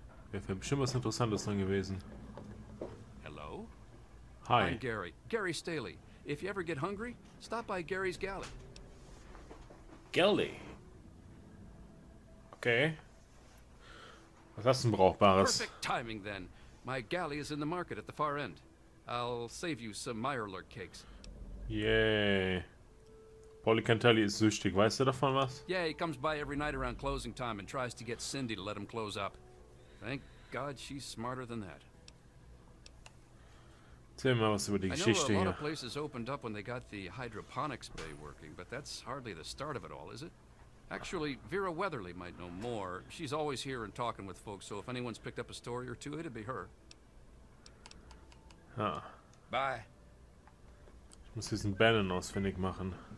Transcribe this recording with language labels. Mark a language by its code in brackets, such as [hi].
[de] Wäre bestimmt was Interessantes dran gewesen. [en] Hello. Hi. I'm Gary. Gary Staley. If you ever get hungry, stop by Gary's Galley. Galley. Okay. [de] Was hast du denn brauchbares? [en] Perfect timing then. My galley is in the market at the far end. I'll save you some Meyerlurk cakes. Yay. [de] Pauli Cantelli ist süchtig. Weißt du davon was? [en] Yeah, he comes by every night around closing time and tries to get Cindy to let him close up. Thank God she's smarter than that. [de] Erzähl mal was über die Geschichte hier. [en] I know a lot of places opened up when they got the hydroponics bay working, but that's hardly the start of it all, is it? Actually, Vera Weatherly might know more. She's always here and talking with folks, so if anyone's picked up a story or two, it'd be her. [de] Ja. [en] Bye. [de] Ich muss diesen Bannon ausfindig machen.